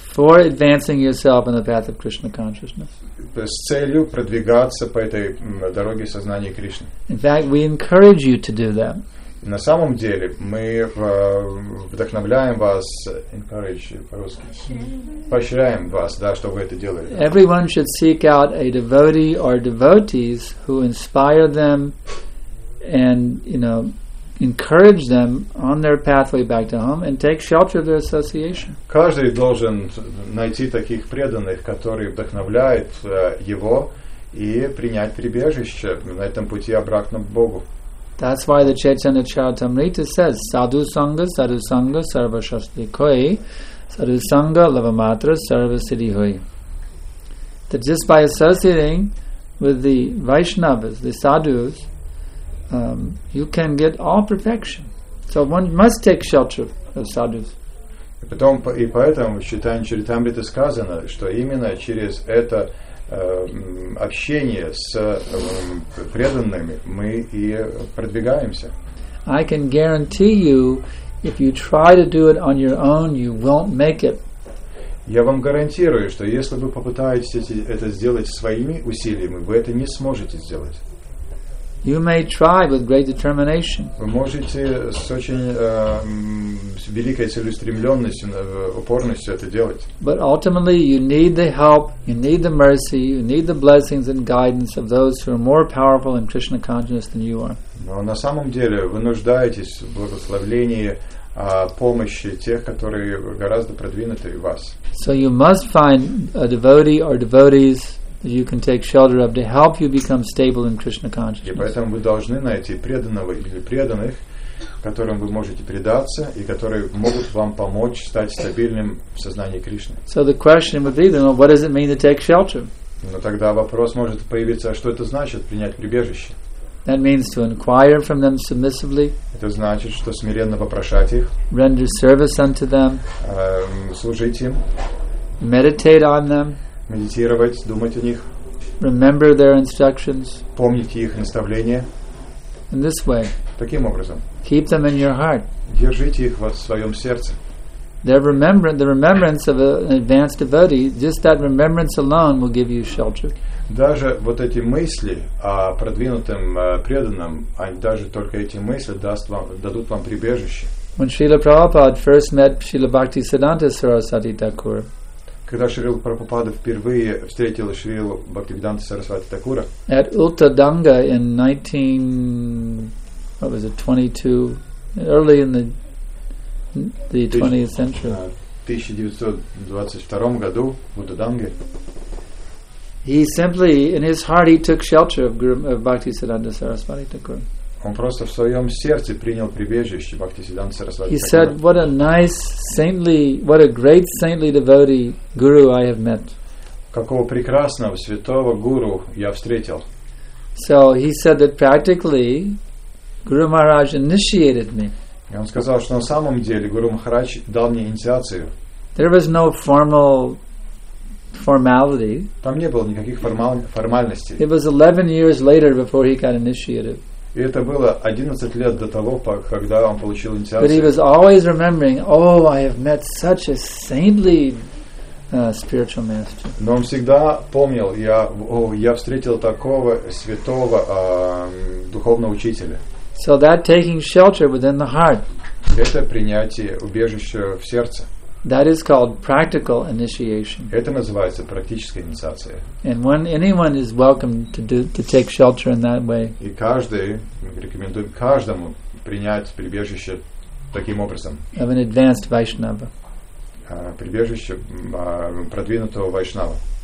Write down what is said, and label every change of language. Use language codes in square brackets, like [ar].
[en] For advancing yourself in the path of Krishna consciousness. [ru] С целью продвигаться по этой дороге сознания Кришны. [en] In fact, we encourage you to do that. [ru] На самом деле мы вдохновляем вас, encourage по-русски, поощряем вас, да, чтобы вы это делали. [en] Everyone should seek out a devotee or devotees who inspire them and, encourage them on their pathway back to home and take shelter of their association. [ru] Каждый должен найти таких преданных, которые вдохновляют его и принять прибежище на этом пути обратно к Богу. [en] That's why the Chaitanya Charitamrita says [sa] sadhu sangha, sadhu sangha, sarva shastri koi, sadhu sangha, lava matra, sarva siddhi hoi. [en] That just by associating with the Vaishnavas, the sadhus, you can get all perfection. So one must take shelter of sadhus. [ru] И поэтому в Chaitanya Charitamrita сказано, что именно через это общение с преданными мы и продвигаемся. [en] I can guarantee you, if you try to do it on your own, you won't make it. [ru] Я вам гарантирую, что если вы попытаетесь это сделать своими усилиями, вы это не сможете сделать. [en] You may try with great determination. [ru] Вы можете с очень с великой целеустремленностью, упорностью это делать. [en] But ultimately you need the help, you need the mercy, you need the blessings and guidance of those who are more powerful in Krishna consciousness than you are. [ru] Но на самом деле вы нуждаетесь в благословении, помощи тех, которые гораздо продвинуты вас. [en] So you must find a devotee or devotees that you can take shelter of to help you become stable in Krishna consciousness. [ru] И поэтому вы должны найти преданного или преданных, которым вы можете предаться и которые могут вам помочь стать стабильным в сознании Кришны. [en] So the question would be, then, what does it mean to take shelter? [ru] Но тогда вопрос может появиться, а что это значит принять прибежище? [en] That means to inquire from them submissively. [ru] Это значит, что смиренно вопрошать их. [en] Render service unto them. [ru] Служить им. [en] Meditate on them. [ru] Медитировать, думать о них. [en] Remember their instructions. [ru] Помнить их наставления. [en] In this way. [ru] Таким образом. [en] Keep them in your heart. [ru] Держите их в своем сердце. [en] The remembrance of an advanced devotee, just that remembrance alone will give you shelter. [ru] Даже вот эти мысли о продвинутом преданном, даже только эти мысли дадут вам прибежище. [en] When Srila Prabhupada first met Srila Bhakti Siddhanta Sarasvati Thakur. [ru] Когда Шрила Прабхупада впервые встретил Шрилу Бхактивиданта Сарасвати Такура. [en] At Ultadanga in 22, early in the 20th century. [ru] В 1922 году в Ultadanga. [en] He simply, in his heart, he took shelter of Bhakti Siddhanta Sarasvati Thakur. [ru] Он просто в своем сердце принял прибежище Бхакти Сиддханты Сарасвати. [en] He said, "What a nice saintly, what a great saintly devotee guru I have met." [ru] Какого прекрасного святого гуру я встретил. [en] So he said that practically, Guru Maharaj initiated me. [ru] И он сказал, что на самом деле Гуру Махарадж дал мне инициацию. [en] There was no formality. [ru] Там не было никаких формальностей. [en] It was 11 years later before he got initiated. [ru] И это было 11 лет до того, когда он получил инициацию. [en] But he was always remembering, "Oh, I have met such a saintly spiritual master." [ru] Но он всегда помнил, я встретил такого святого духовного учителя. [en] So that taking shelter within the heart. [ru] Это принятие убежища в сердце. [en] That is called practical initiation. [ru] Это называется практическая инициация. [en] And when anyone is welcome to take shelter in that way. [ru] И каждый рекомендую каждому принять прибежище таким образом. [en] Of an advanced Vaishnava. [ru] Прибежище продвинутого Вайшнава.